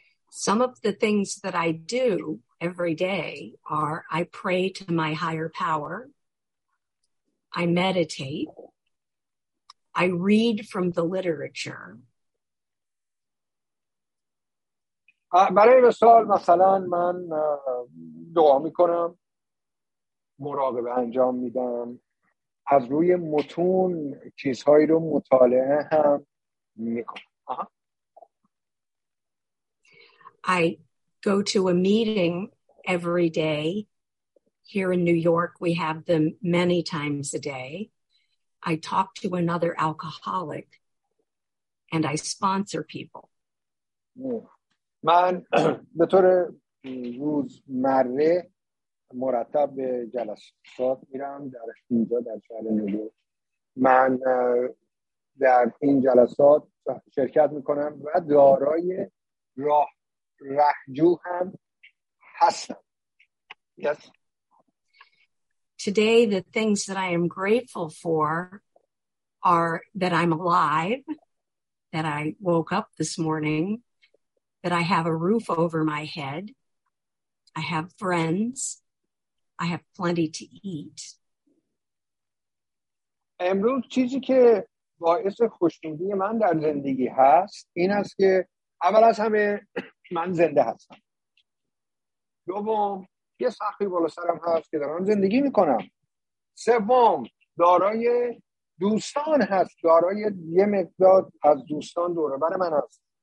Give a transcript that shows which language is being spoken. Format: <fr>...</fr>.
<en>Some of the things that I do every day are I pray to my higher power, I meditate, I read from the literature.</en> <fa>برای مثال مثلا من دعا میکنم، مراقبه انجام میدم، از روی متون چیزهایی رو مطالعه هم میکنم.</fa> <en>I go to a meeting every day Here in New York, we have them many times a day. I talk to another alcoholic and I sponsor people.</en> <fa>من به طور روزمره مرتب به جلسات میرم در اینجا در شهر نیویورک. من در این جلسات شرکت میکنم و دارای راه رهجو هم هستم.</fa> <en>Yes. Today the things that I am grateful for are that I'm alive, that I woke up this morning, that I have a roof over my head, I have friends, I have plenty to eat.</en> <fa>امروز چیزی که باعث خوشنودی من در زندگی هست این است که اول از همه من زنده هستم. دوم یه سختی بالا سرم هست که دارم زندگی میکنم. سوم دارای دوستان هست، دارای یه مقدار از دوستان دوره بر من هست.</fa>